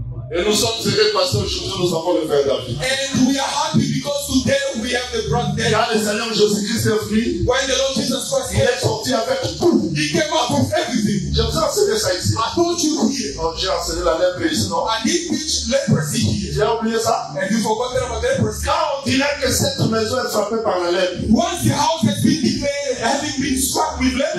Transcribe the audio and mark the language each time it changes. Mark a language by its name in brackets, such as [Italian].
[French] Et nous sommes heureux parce que aujourd'hui nous avons le frère David. [English] And we are happy because today we have the brother. [French] Quand le Seigneur Jésus-Christ est venu, [English] when the Lord Jesus Christ, [French] il est sorti avec tout. [English] He came out with everything. [French] J'ai enseigné ça ici. [English] I told you here. [French] Oh, j'ai enseigné la lèpre ici, non? [English] I did teach leprosy here. [French] J'ai oublié ça. [English] And you forgot about leprosy. [French] Quand on dirait que cette maison est frappée par la lèpre, [English] once the house has been declared having been struck with leprosy,